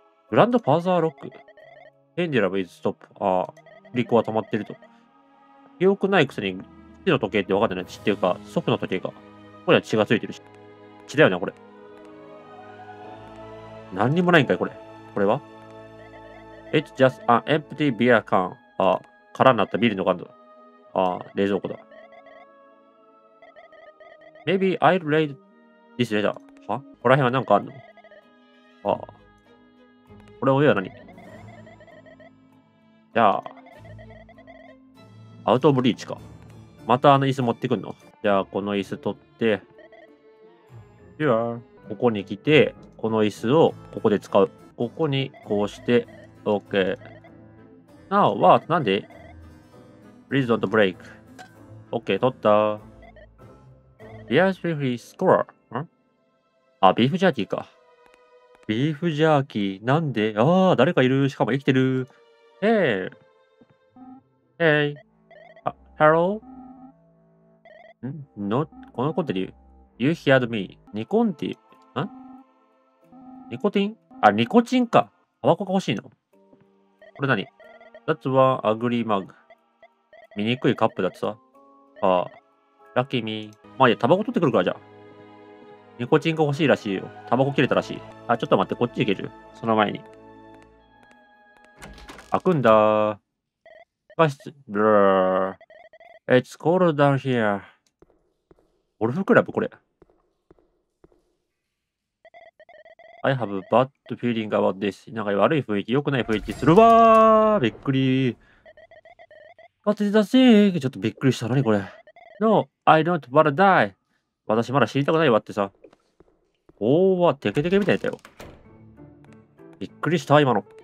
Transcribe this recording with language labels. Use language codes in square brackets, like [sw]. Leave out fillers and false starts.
[en] Grandfather Lock. Pendulum is stop. [ja] あ、リコは止まってると。記憶ないくせに、父の時計って分かってない。父っていうか、祖父の時計か。ここには血がついてるし。地だよね、これ。何にもないんかい、これ。これは [en] ?It's just an empty beer can. [ja] あ、空になったビールの缶だ。あ、冷蔵庫だ。 [en] Maybe I'll read this letter. [ja] は? ここら辺はなんかあんの?あ、これは上は何? じゃあ、アウトオブリーチか。またあの椅子持ってくんの?じゃあ、この椅子取って、では、ここに来て、この椅子をここで使う。ここにこうして、OK。 [en] Now, what? [ja] なんで [en] ?Please don't break. [ja] OK, 取った。ビアスリフリースコア。ん?あ、ビーフジャーキーか。ビーフジャーキー。なんで?ああ、誰かいる。しかも生きてる。 [en] Hey!Hey! Hello? ん? [ja] の、このコンテリー。 [en] You heard me. [ja] ニコンティ。ニコティン?あ、ニコチンか。タバコが欲しいの。これ何? [en] That's one ugly mug. [ja] 見にくいカップだってさ。あ、ラッキーミー。まあいや、タバコ取ってくるからじゃ。ニコチンが欲しいらしいよ。タバコ切れたらしい。あ、ちょっと待って、こっち行ける。その前に。開くんだー。地下室、ブラー。 [en] It's cold down here. [ja] ゴルフクラブ?これ。 [en] I have a bad feeling about this. [ja] なんか悪い雰囲気、良くない雰囲気するわー。びっくりー。バッテリーだし、ちょっとびっくりしたのにこれ。 [en] No, I don't wanna die. [ja] 私まだ死にたくないわってさ。おーわ、テケテケみたいだよ。びっくりした、今の。